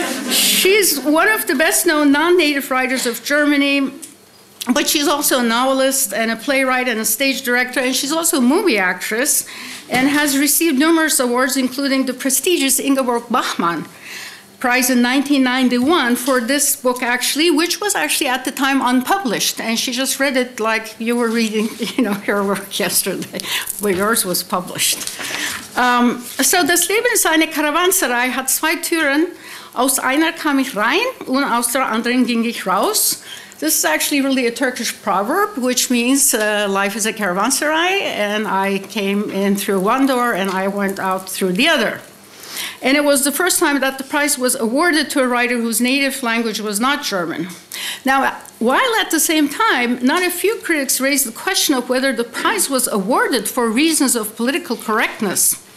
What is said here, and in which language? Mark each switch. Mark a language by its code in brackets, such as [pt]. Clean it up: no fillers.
[en] She's one of the best known non-native writers of Germany, but she's also a novelist and a playwright and a stage director, and she's also a movie actress and has received numerous awards, including the prestigious Ingeborg Bachmann Prize in 1991 for this book, actually, which was actually at the time unpublished. And she just read it like you were reading, you know, her work yesterday, but yours was published. [de] So das Leben ist eine Karawanserei hat zwei Türen. Aus einer kam ich rein und aus der anderen ging ich raus. [en] This is actually really a Turkish proverb, which means life is a caravanserai, and I came in through one door and I went out through the other. And it was the first time that the prize was awarded to a writer whose native language was not German. Now, while at the same time, not a few critics raised the question of whether the prize was awarded for reasons of political correctness.